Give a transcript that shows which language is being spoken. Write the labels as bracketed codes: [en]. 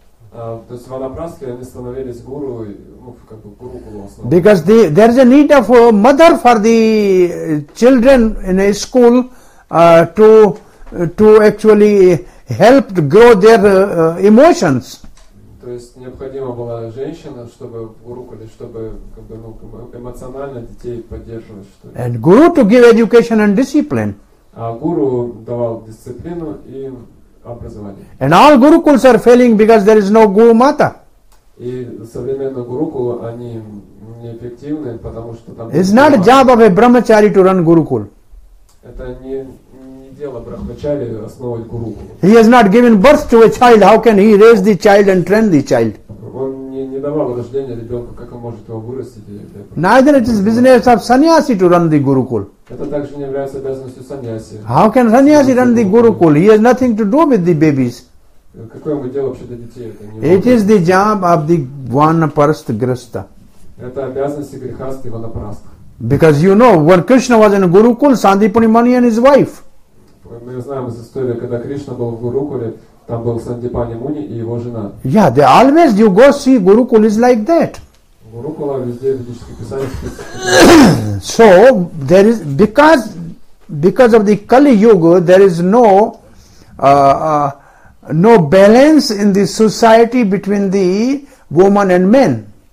[ru] То есть ванапрасты, они становились гуру, ну, как бы гурукулу основу. [en] Because there is a need of a mother for the children in a school to actually help grow their emotions. [ru] То есть необходима была женщина, чтобы гурукуле, чтобы, как бы, ну, эмоционально детей поддерживать, что ли. [en] And guru to give education and discipline. [ru] А гуру давал дисциплину и образование. [en] And all gurukuls are failing because there is no guru mata. [ru] И современные гурукулы, они неэффективны, потому что там. [en] It's not a job of a brahmachari to run gurukul. [ru] Это не дело брахмачари основывать гурукул. [en] He has not given birth to a child. How can he raise the child and train the child? [ru] Он не давал рождения ребенку, как он может его вырастить? [en] Neither it is business of sannyasi to run the gurukul. [ru] Это также не является обязанностью саньяси. [en] How can sannyasi run the gurukul? He has nothing to do with the babies. [ru] Какое ему дело вообще до детей? [en] It is the job of the vanaprastha grastha. [ru] Это обязанности грехаста и ванапрастха. [en] Because you know, when Krishna was in Gurukul, Sandipani Mani and his wife. [ru] Мы знаем из истории, когда Кришна был в Гурукуле, там был Сандипани Муни и его жена. [en] Yeah, they always, you go see, Gurukul is like that. [ru] Гурукула везде ведические писания. [en] So, there is, because of the Kali Yuga, there is no no balance in the society between the woman and men.